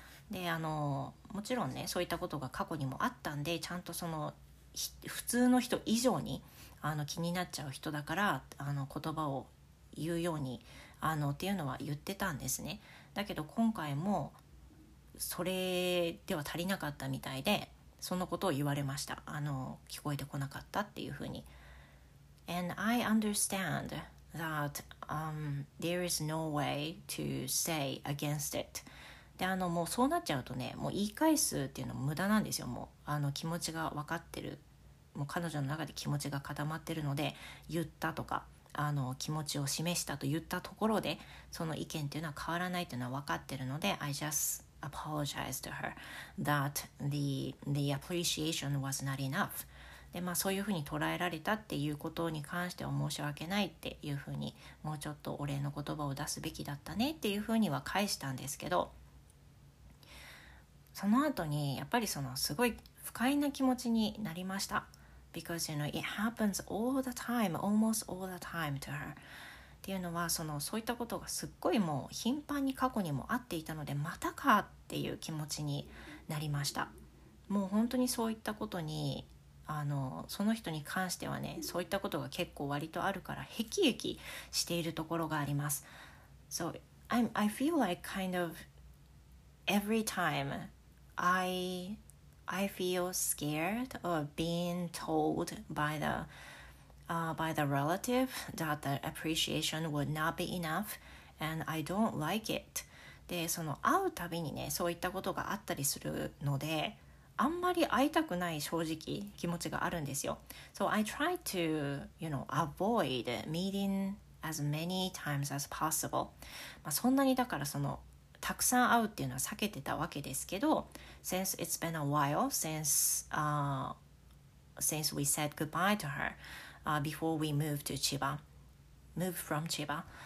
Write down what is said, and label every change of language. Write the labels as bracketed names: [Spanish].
[Japanese] で、もちろんね、そういったことが過去にもあったんで、ちゃんとその普通の人以上に気になっちゃう人だから、言葉を言うようにっていうのは言ってたんですね。だけど今回もそれでは足りなかったみたいで、そのことを言われました。聞こえてこなかったっていうふうに。 [English] And I understand that there is no way to say against it. [Japanese] でもうそうなっちゃうとね、もう言い返すっていうのは無駄なんですよ。もう気持ちが分かってる、もう彼女の中で気持ちが固まってるので、言ったとか気持ちを示したと言ったところで、その意見というのは変わらないというのは分かっているので、 [English] I just apologized to her that the appreciation was not enough. [Japanese] で、まあ、そういうふうに捉えられたっていうことに関しては申し訳ないっていうふうに、もうちょっとお礼の言葉を出すべきだったねっていうふうには返したんですけど、その後にやっぱりそのすごい不快な気持ちになりました。 [English] Because you know it happens all the time, almost all the time to her [Japanese] っていうのは、そのそういったことがすっごいもう頻繁に過去にもあっていたので、またかっていう気持ちになりました。もう本当にそういったことに、あのその人に関してはね、そういったことが結構割とあるからヘキヘキしているところがあります。 [English] So I feel like kind of every time I feel scared of being told by theby the relative that the appreciation would not be enough and I don't like it. [Japanese] で、その会うたびにね、そういったことがあったりするので、あんまり会いたくない正直気持ちがあるんですよ。 [English] So I try to, you know, avoid meeting as many times as possible. [Japanese] まあそんなにだからそのたくさん会うっていうのは避けてたわけですけど、 [English] since it's been a while since we said goodbye to herbefore we moved from Chiba.